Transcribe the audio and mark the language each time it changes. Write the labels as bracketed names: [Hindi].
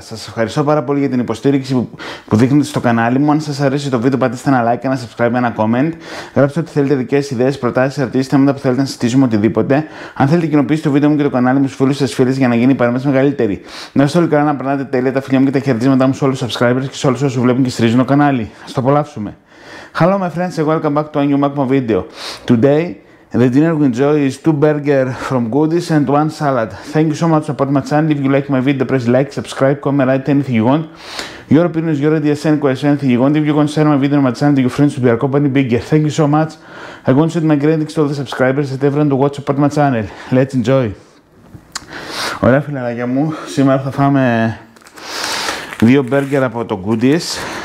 [Greek] Σας ευχαριστώ πάρα πολύ για την υποστήριξη που δείχνετε στο κανάλι μου. Αν σας αρέσει το βίντεο πατήστε ένα like, ένα subscribe, ένα comment. Γράψτε ό,τι θέλετε, δικές ιδέες, προτάσεις, ερωτήσεις, θέματα που θέλετε να συζητήσουμε, οτιδήποτε. Αν θέλετε κοινοποιήστε το βίντεο μου και το κανάλι μου στους φίλους σας φίλες για να γίνει η παρέμβαση μεγαλύτερη. Να είστε όλοι καλά, να περνάτε τέλεια, τα φιλιά μου και τα χαιρετίσματά μου σε όλους τους subscribers και σε όλους όσους βλέπουν και στηρίζουν το κανάλι. Ας το απολαύσουμε. [English] Hello my friends and welcome back to a new Magma video. Today the dinner we enjoy is two burgers from Goodies and one salad. Thank you so much for supporting my channel. If you like my video, press like, subscribe, comment, write anything you want. Your opinion is your idea, send questions, anything you want. If you want to share my video on my channel, your friends will be our company bigger. Thank you so much. I want to send my greetings to all the subscribers that everyone to watch support my channel. Let's enjoy. [Greek] Ωραία φιλαράκια μου, σήμερα θα φάμε δύο μπέργκερ από το Goodies.